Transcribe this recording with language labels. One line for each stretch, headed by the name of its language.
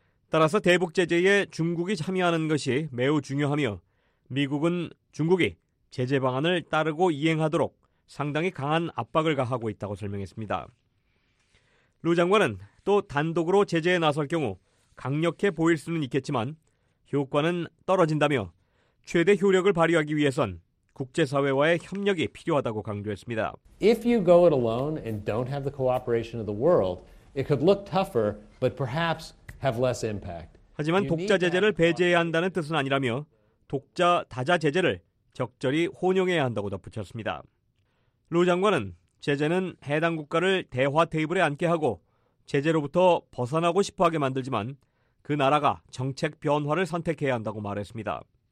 Korean: 따라서 대북 제재에 중국이 참여하는 것이 매우 중요하며 미국은 중국이 제재 방안을 따르고 이행하도록 상당히 강한 압박을 가하고 있다고 설명했습니다. 루 장관은 또 단독으로 제재에 나설 경우 강력해 보일 수는 있겠지만 효과는 떨어진다며 최대 효력을 발휘하기 위해선 국제사회와의 협력이 필요하다고 강조했습니다.
English: If you go it alone and don't have the cooperation of the world, it could look tougher, but perhaps have less impact.
Korean: 하지만 독자 제재를 배제해야 한다는 뜻은 아니라며 독자 다자 제재를 적절히 혼용해야 한다고 덧붙였습니다. 루 장관은 제재는 해당 국가를 대화 테이블에 앉게 하고 제재로부터 벗어나고 싶어하게 만들지만 그 나라가 정책 변화를 선택해야 한다고 말했습니다.